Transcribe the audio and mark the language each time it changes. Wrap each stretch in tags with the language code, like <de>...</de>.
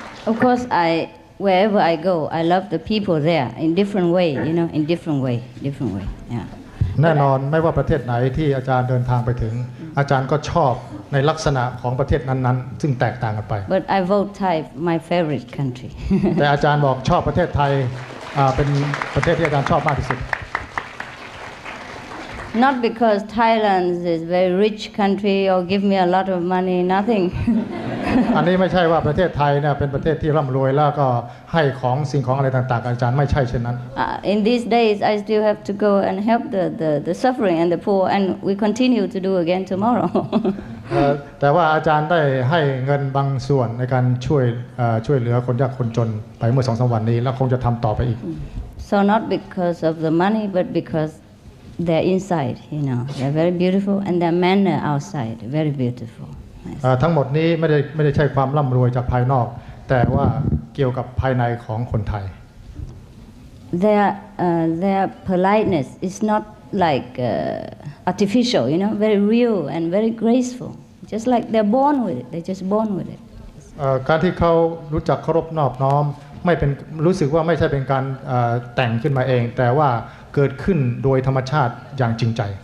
<en>Of course, wherever I go, I love the people there in different way, you know, in different way, yeah.</en> <th>แน่นอนไม่ว่าประเทศไหนที่อาจารย์เดินทางไปถึงอาจารย์ก็ชอบในลักษณะของประเทศนั้นๆซึ่งแตกต่างกันไป</th> <en>But I vote Thai my favorite country.</en> <th>แต่อาจารย์บอกชอบประเทศไทยเป็นประเทศที่อาจารย์ชอบมากที่สุด</th> <en>Not because Thailand is a very rich country or give me a lot of money, nothing.</en> <th>อันนี้ไม่ใช่ว่าประเทศไทยเนี่ยเป็นประเทศที่ร่ำรวยแล้วก็ให้ของสิ่งของอะไรต่างๆอาจารย์ไม่ใช่เช่นนั้น</th> <en>In these days I still have to go and help the suffering and the poor and we continue to do again tomorrow</en> <th>แต่ว่าอาจารย์ได้ให้เงินบางส่วนในการช่วยเหลือคนยากคนจนไปเมื่อ 2-3 วันนี้แล้วคงจะทำต่อไปอีก</th> <en>So not because of the money but becauseThey're inside, you know. They're very beautiful, and their manner outside very beautiful.</en> <th>ทั้งหมดนี้ไม่ได้ใช่ความร่ำรวยจากภายนอกแต่ว่าเกี่ยวกับภายในของคนไทย</th> <en>Their politeness is not like artificial, you know, very real and very graceful. Just like they're just born with it.</en> <th>การที่เขารู้จักเคารพนอบน้อมไม่เป็นรู้สึกว่าไม่ใช่เป็นการแต่งขึ้นมาเองแต่ว่าเกิดขึ้นโดยธรรมชาติอย่างจริงใจ</th>